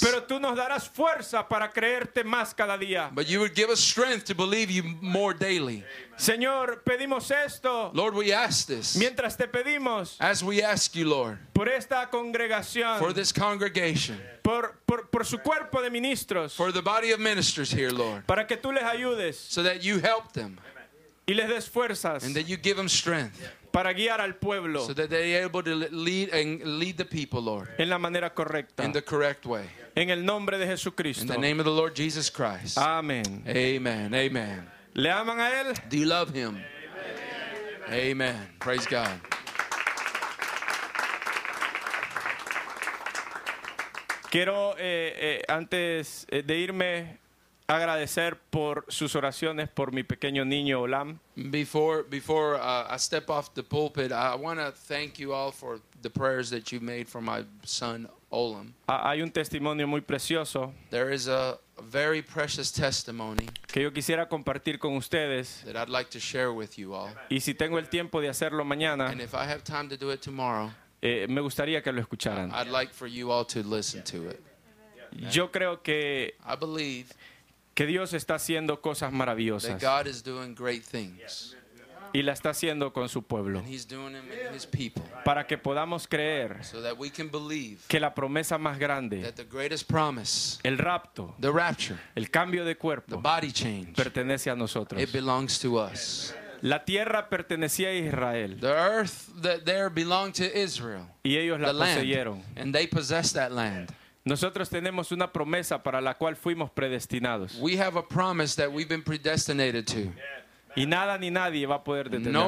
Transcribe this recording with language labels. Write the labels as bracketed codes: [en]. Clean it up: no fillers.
[es] Pero tú nos darás fuerza para creerte más cada día. [en] But you would give us strength to believe you more daily. [es] Señor, pedimos esto. [en] Lord, we ask this. [es] Mientras te pedimos. [en] As we ask you, Lord. [es] Por esta congregación. [en] For this congregation. [es] Por su cuerpo de ministros. [en] For the body of ministers here, Lord. [es] Para que tú les ayudes. [en] So that you help them. [es] Y les des fuerzas. [en] And that you give them strength. [es] Para guiar al pueblo. [en] So that they're able to lead and lead the people, Lord. [es] En la manera correcta. [en] In the correct way. [es] En el nombre de Jesucristo. [en] In the name of the Lord Jesus Christ. [es] Amen. [en] Amen. Amen. [es] ¿Le aman a él? [en] Do you love him? [es] Amen. [en] Amen. Amen. Praise God. [es] Quiero antes de irme agradecer por sus oraciones por mi pequeño niño Olam. [en] Before I step off the pulpit, I want to thank you all for the prayers that you made for my son Olam. [es] Hay un testimonio muy precioso. [en] There is a very precious testimony [es] que yo quisiera compartir con ustedes. [en] That I'd like to share with you all. [es] Y si tengo el tiempo de hacerlo mañana. [en] And if I have time to do it tomorrow. [es] Me gustaría que lo escucharan. [en] I'd like for you all to listen to it. [es] Yo creo que [en] I believe [es] que Dios está haciendo cosas maravillosas. [en] That God is doing great things. [es] Y la está haciendo con su pueblo. [en] And he's doing them with his people. [es] Para que podamos creer. [en] So that we can believe [es] que la promesa más grande. [en] That the greatest promise. [es] El rapto. [en] The rapture. [es] El cambio de cuerpo. [en] The body change. [es] Pertenece a nosotros. [en] It belongs to us. [es] La tierra pertenecía a Israel. [en] The earth that there belonged to Israel. [es] Y ellos la poseyeron. [en] And they possessed that land. [es] Nosotros tenemos una promesa para la cual fuimos predestinados. [en] We have a promise that we've been predestinated to. [es] Y nada ni nadie va a poder detenernos.